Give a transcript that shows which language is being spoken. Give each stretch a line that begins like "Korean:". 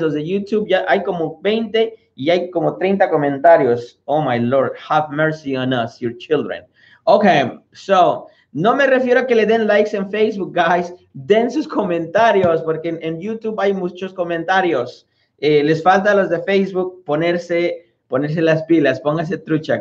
Spanish: Los de YouTube, ya hay como 20 y hay como 30 comentarios.
English: Oh my Lord, have mercy on us, your children.
Spanish: Okay, so no me refiero a que le den likes en Facebook, guys. Den sus comentarios, porque en YouTube hay muchos comentarios. Les falta a los de Facebook ponerse las pilas, póngase trucha.